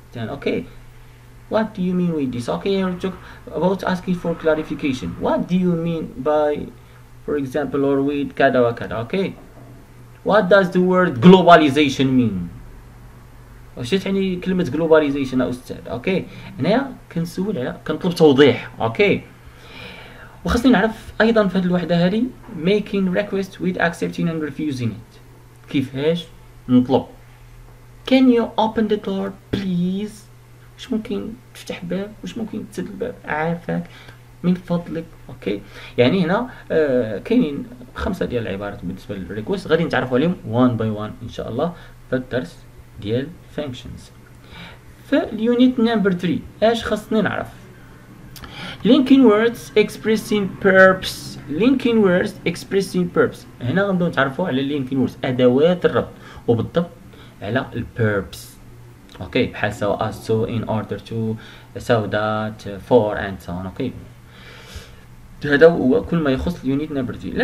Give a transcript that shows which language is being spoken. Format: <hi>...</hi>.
<en>Okay, What do you mean with this? Okay, you talk about asking for clarification. What do you mean by, for example, or with</en> <ar>kada wa kada?</ar> <en>Okay, what does the word globalization mean?</en> <ar>وشيت يعني كلمة globalization يا أستاذ؟ Okay, أنا كنسول على كنطلب توضيح. Okay, وخصني نعرف أيضا في هذه الوحدة هذه</ar> <en>making request with accepting and refusing it.</en> <ar>كيفاش نطلب؟</ar> <en>Can you open the door, please?</en> <ar>واش ممكن تفتح باب؟ واش ممكن تسد الباب؟ عافاك، من فضلك. اوكي، يعني هنا كاينين 5 ديال العبارات بالنسبه للريكويست، غادي نتعرفوا عليهم 1 باي 1 ان شاء الله في الدرس ديال فانكشنز. فاليونيت نمبر 3، اش خاصني نعرف؟</ar> <en>linking words expressing purpose.</en> <ar>linking words expressing purpose، هنا غنبداو نتعرفوا على linking words، ادوات الربط، وبالضبط على purpose.</ar> <en>okay,</en> <ar>بحال سواء</ar> <en>so in order to so that for and so on.</en> <ar>اوكي، هذا هو كل ما يخص اليونيت نمبر 3.</ar>